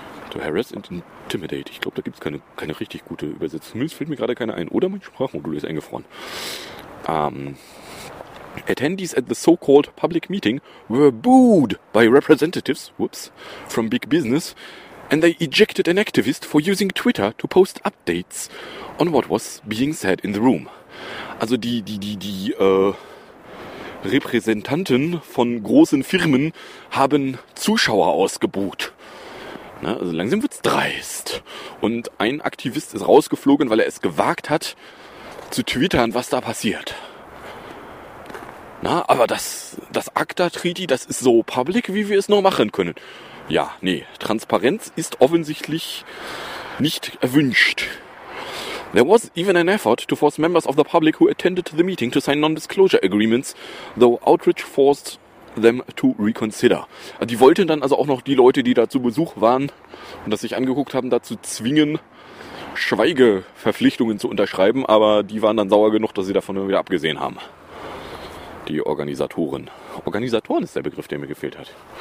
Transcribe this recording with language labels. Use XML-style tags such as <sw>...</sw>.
<en>To harass and intimidate.</en> <de>Ich glaube, da gibt es keine richtig gute Übersetzung. Zumindest fällt mir gerade keine ein. Oder mein Sprachmodul ist eingefroren.</de> <en>attendees at the so-called public meeting were booed by representatives, whoops, from big business, and they ejected an activist for using Twitter to post updates on what was being said in the room.</en> <de>Also die Repräsentanten von großen Firmen haben Zuschauer ausgebuht. Na, also langsam wird's dreist. Und ein Aktivist ist rausgeflogen, weil er es gewagt hat, zu twittern, was da passiert. Na, aber das ACTA-Treaty, das ist so public, wie wir es nur machen können. Ja, nee, Transparenz ist offensichtlich nicht erwünscht.</de> <en>There was even an effort to force members of the public who attended the meeting to sign non-disclosure agreements, though outrage forced them to reconsider.</en> <de>Die wollten dann also auch noch die Leute, die da zu Besuch waren und das sich angeguckt haben, dazu zwingen, Schweigeverpflichtungen zu unterschreiben, aber die waren dann sauer genug, dass sie davon wieder abgesehen haben. Die Organisatoren. Organisatoren ist der Begriff, der mir gefehlt hat.</de>